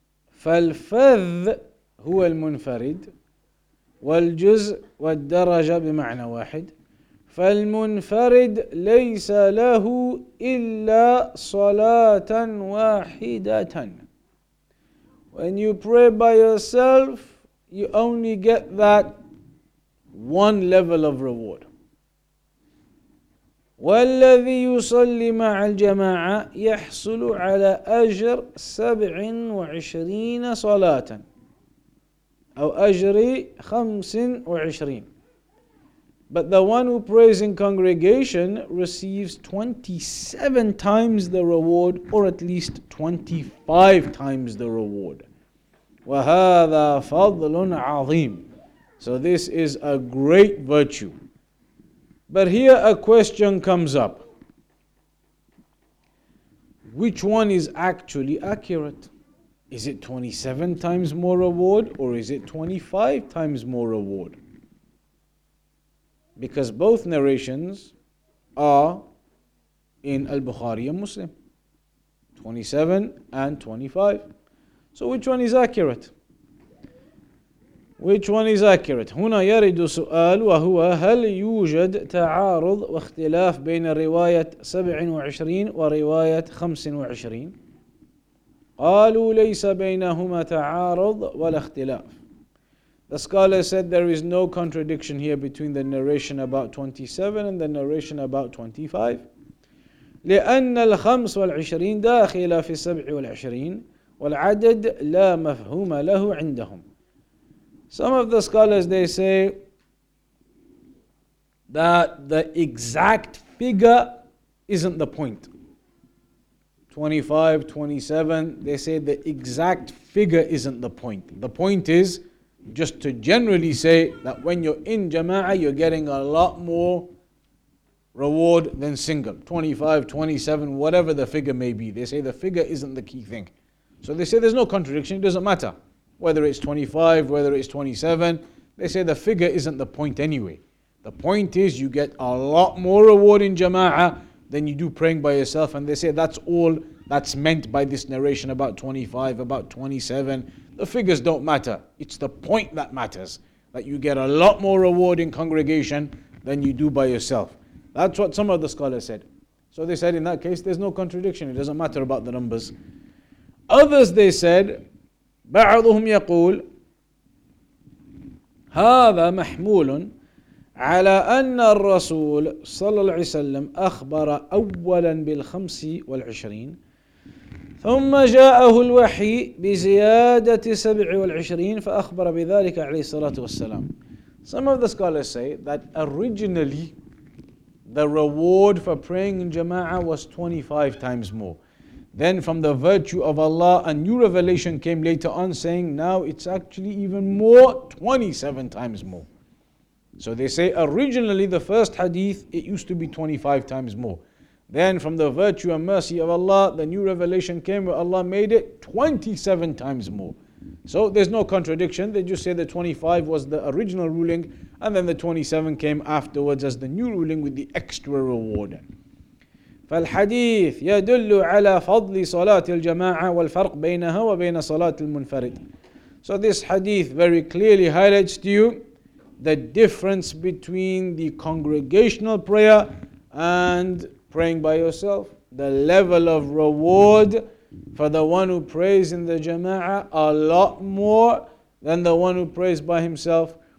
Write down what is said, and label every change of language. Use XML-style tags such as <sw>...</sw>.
<ar>فالفذ هو المنفرد والجزء والدرجة بمعنى واحد فالمنفرد ليس له إلا صلاة واحدة.</ar> <en>When you pray by yourself, you only get that one level of reward.</en> <ar>والذي يصلي مع الجماعة يحصل على أجر 27 صلاة أو أجري 25.</ar> <en>But the one who prays in congregation receives 27 times the reward, or at least 25 times the reward.</en> <ar>وهذا فضل عظيم.</ar> <en>So this is a great virtue. But here a question comes up. Which one is actually accurate? Is it 27 times more reward, or is it 25 times more reward? Because both narrations are in Al-Bukhari and Muslim. 27 and 25. So which one is accurate? Which one is accurate?</en> <ar>هنا يرد سؤال وهو هل يوجد تعارض واختلاف بين رواية 27 ورواية 25؟ قالوا ليس بينهما تعارض ولا اختلاف.</ar> <en>The scholar said there is no contradiction here between the narration about 27 and the narration about 25.</en> <ar>لأن الخمس والعشرين داخل في السبع والعشرين والعدد لا مفهوم له عندهم.</ar> <en>Some of the scholars, they say that the exact figure isn't the point. 25, 27, they say the exact figure isn't the point. The point is just to generally say that when you're in jama'ah, you're getting a lot more reward than single. 25, 27, whatever the figure may be. They say the figure isn't the key thing. So they say there's no contradiction, it doesn't matter. Whether it's 25, whether it's 27, they say the figure isn't the point anyway. The point is you get a lot more reward in jama'ah than you do praying by yourself. And they say that's all that's meant by this narration about 25, about 27. The figures don't matter. It's the point that matters. That you get a lot more reward in congregation than you do by yourself. That's what some of the scholars said. So they said in that case, there's no contradiction. It doesn't matter about the numbers. Others, they said,</en> <ar>بعضهم يقول هذا محمول على أن الرسول صلى الله عليه وسلم أخبر أولا بالخمس والعشرين ثم جاءه الوحي بزيادة 27 فأخبر بذلك عليه الصلاة والسلام.</ar> <en>Some of the scholars say that originally the reward for praying in jama'ah was 25 times more. Then from the virtue of Allah, a new revelation came later on saying now it's actually even more, 27 times more. So they say originally the first hadith, it used to be 25 times more. Then from the virtue and mercy of Allah, the new revelation came where Allah made it 27 times more. So there's no contradiction. They just say the 25 was the original ruling, and then the 27 came afterwards as the new ruling with the extra reward.</en> <ar>فالحديث يدل على فضل صلاة الجماعة والفرق بينها وبين صلاة المنفرد.</ar> <en>So this hadith very clearly highlights to you the difference between the congregational prayer and praying by yourself. The level of reward for the one who prays in the jama'ah a lot more than the one who prays by himself.</en>